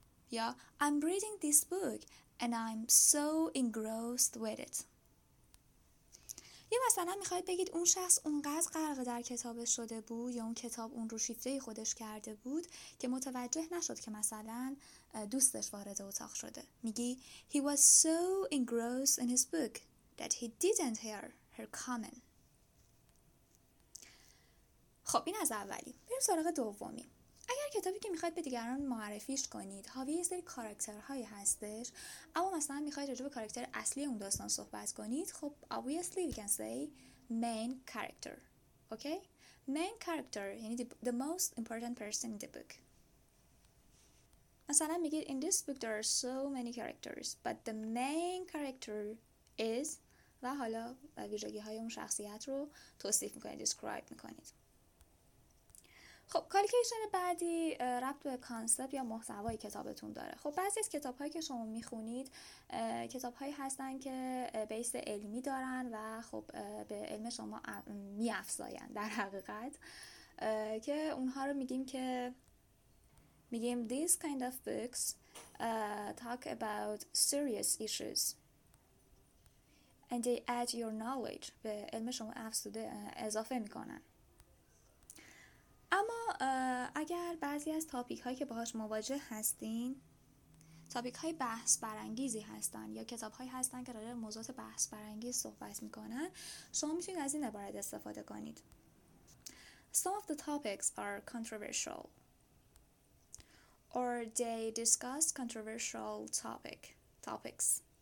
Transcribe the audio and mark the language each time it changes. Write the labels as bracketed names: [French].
[English] یا I'm reading this book and I'm so engrossed with it. [Persian] یا مثلا میخواید بگید اون شخص اونقدر غرق در کتاب شده بود یا اون کتاب اون رو شیفته خودش کرده بود که متوجه نشد که مثلا دوستش وارد اتاق شده. میگی [English] He was so engrossed in his book that he didn't hear her coming. [Persian] خب این از اولی. بریم سراغ دومی. اگر کتابی که میخواید به دیگران معرفیش کنید حاوی یه سری کاراکترهایی هستش، اما مثلا میخواید راجع به کاراکتر اصلی اون داستان صحبت کنید، خب [English] obviously we can say main character. okay? main character یعنی the most important person in the book. [Persian] مثلا میگید [English] in this book there are so many characters but the main character is، [Persian] و حالا ویژگی های اون شخصیت رو توصیف میکنید، describe میکنید. خب کالکیشن بعدی ربط به کانسپت یا محتوای کتابتون داره. خب بعضی از کتاب‌هایی که شما می‌خونید کتاب‌هایی هستن که بیس علمی دارن و خب به علم شما می‌افزاین در حقیقت، که اونها رو میگیم [English] these kind of books talk about serious issues and they add your knowledge، [Persian] به علم شما افزوده اضافه می‌کنن. اما اگر بعضی از تاپیک هایی که باهاش مواجه هستین تاپیک های بحث برانگیزی هستن یا کتاب هایی هستن که راجع به موضوعات بحث برانگیز صحبت میکنن، شما میتونید از این عبارت استفاده کنید. [English] Some of the topics are controversial or they discuss controversial topics.